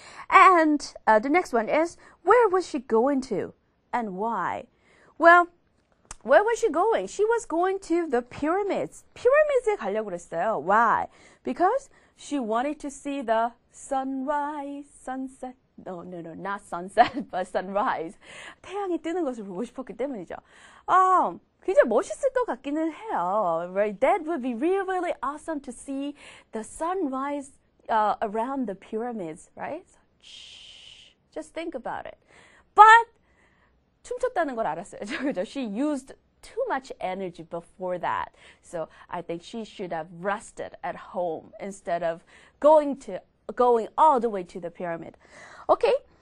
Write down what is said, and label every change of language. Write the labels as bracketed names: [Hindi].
[English] And the next one is, where was she going to and why? Well, where was she going? She was going to the pyramids. [Korean] Pyramids에 가려고 그랬어요. Why? [English] Because she wanted to see the sunrise, sunset. No, not sunset, but sunrise. [Korean] 태양이 뜨는 것을 보고 싶었기 때문이죠. 굉장히 멋있을 것 같기는 해요. [English] Right? That would be really, really awesome to see the sunrise around the pyramids, right? So, just think about it. But [Korean] 춤췄다는 걸 알았어요. 그죠? [English] She used too much energy before that. So I think she should have rested at home instead of going all the way to the pyramid. Okay.